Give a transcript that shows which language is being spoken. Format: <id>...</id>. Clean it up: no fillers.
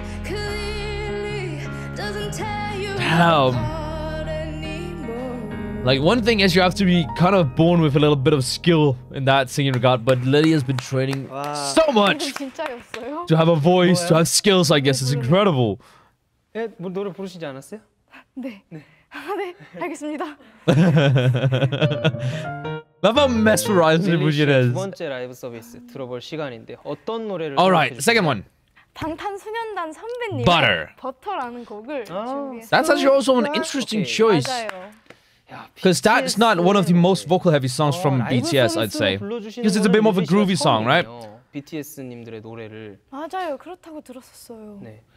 <en>It clearly doesn't tear you apart anymore. Like one thing is, you have to be kind of born with a little bit of skill in that singing regard. But Lily has been training so much to have a voice, to have skills. I guess it's incredible.</en> <ko>예, 뭐 노래 부르시지 않았어요? 네. 네, 알겠습니다.</ko> <en>Love how mesmerized Mujin is.</en> <ko>두 번째 라이브 서비스 들어볼 시간인데 어떤 노래를</ko> <en>All right, second one.</en> <ko>방탄소년단 선배님</ko> <en>Butter.</en> <ko>버터라는 곡을 준비했어요.</ko> <en>That's actually also an interesting choice. Because that's not one of the most vocal heavy songs from BTS, I'd say. Because it's a bit more of a groovy song, right?</en> <ko>BTS님들의 노래를 맞아요 그렇다고 들었었어요 네</ko>